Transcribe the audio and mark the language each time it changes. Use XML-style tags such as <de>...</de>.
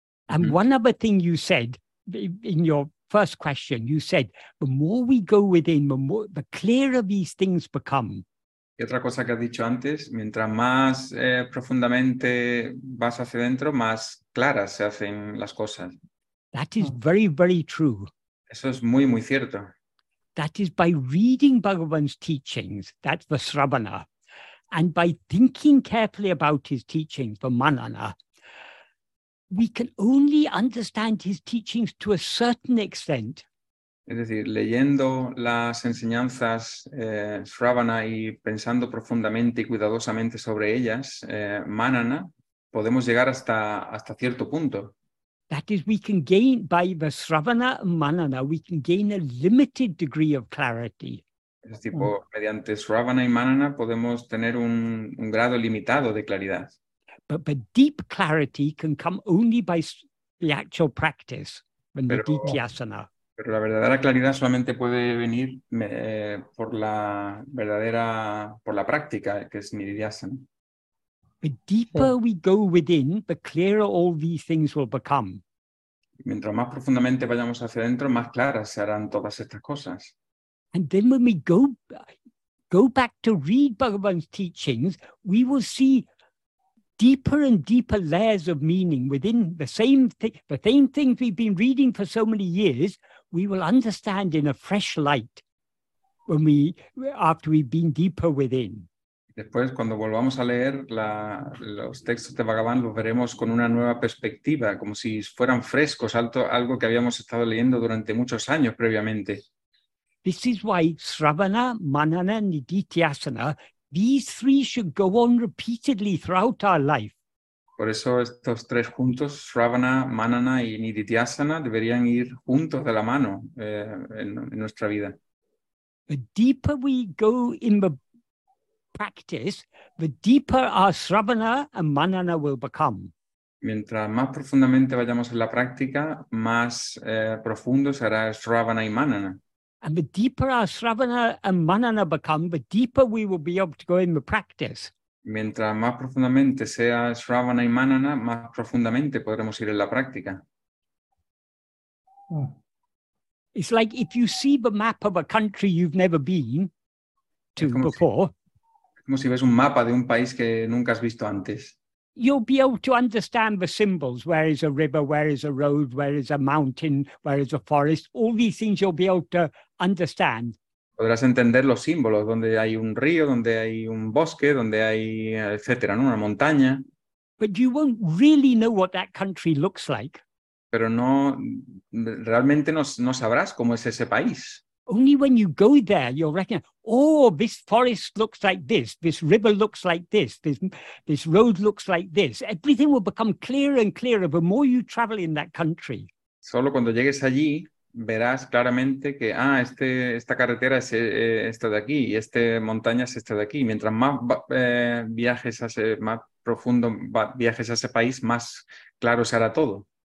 <en>And one other thing you said in your first question, you said, the more we go within, the clearer these things become.</en> <es>Y otra cosa que has dicho antes, mientras más profundamente vas hacia adentro, más claras se hacen las cosas.</es> <en>That is very, very true.</en> <es>Eso es muy, muy cierto.</es> <en>That is by reading Bhagavan's teachings, that's the sravana, and by thinking carefully about his teachings, the manana, we can only understand his teachings to a certain extent.</en> <es>Es decir, leyendo las enseñanzas Sravana y pensando profundamente y cuidadosamente sobre ellas, Manana, podemos llegar hasta cierto punto.</es> <en>That is, we can gain, by the Sravana Manana, we can gain a limited degree of clarity.</en> <es>Es decir, mediante Sravana y Manana podemos tener un grado limitado de claridad.</es> <en>But the deep clarity can come only by the actual practice, the Nididhyasana.</en> <es>Pero la verdadera claridad solamente puede venir por la práctica, que es Nididhyasana.</es> <en>The deeper we go within, the clearer all these things will become.</en> <es>Mientras más profundamente vayamos hacia adentro, más claras se harán todas estas cosas.</es> <en>And then when we go back to read Bhagavan's teachings, we will see deeper and deeper layers of meaning within the same things we've been reading for so many years. We will understand in a fresh light after we've been deeper within.</en> <es>Después, cuando volvamos a leer los textos de Bhagavan, los veremos con una nueva perspectiva, como si fueran frescos, algo que habíamos estado leyendo durante muchos años previamente.</es> <en>This is why Sravana, Manana, Nididhyasana, these three should go on repeatedly throughout our life.</en> <es>Por eso estos tres juntos, Sravana, Manana y Nididhyasana, deberían ir juntos de la mano en nuestra vida.</es> <en>The deeper we go in the practice, the deeper our Sravana and Manana will become.</en> <es>Mientras más profundamente vayamos en la práctica, más profundo será Sravana y Manana.</es> <en>And the deeper our Sravana and Manana become, the deeper we will be able to go in the practice.</en> <es>Mientras más profundamente sea Sravana y Manana, más profundamente podremos ir en la práctica.</es> <en>It's like if you see the map of a country you've never been to before.</en> <es>Como si ves un mapa de un país que nunca has visto antes.</es> <en>You'll be able to understand the symbols. Where is a river? Where is a road? Where is a mountain? Where is a forest? All these things you'll be able to understand.</en> <es>Podrás entender los símbolos, donde hay un río, donde hay un bosque, donde hay, etcétera, ¿no? Una montaña.</es> <en>But you won't really know what that country looks like.</en> <es>Pero no, realmente no sabrás cómo es ese país.</es> <en>Only when you go there, you'll recognize, oh, this forest looks like this, this river looks like this, this road looks like this. Everything will become clearer and clearer the more you travel in that country.</en> <es>Solo cuando llegues allí, verás claramente que, ah, esta carretera es esta de aquí, y esta montaña es esta de aquí. Mientras más viajes a ese, más profundo viajes a ese país, más claro se hará todo.</es>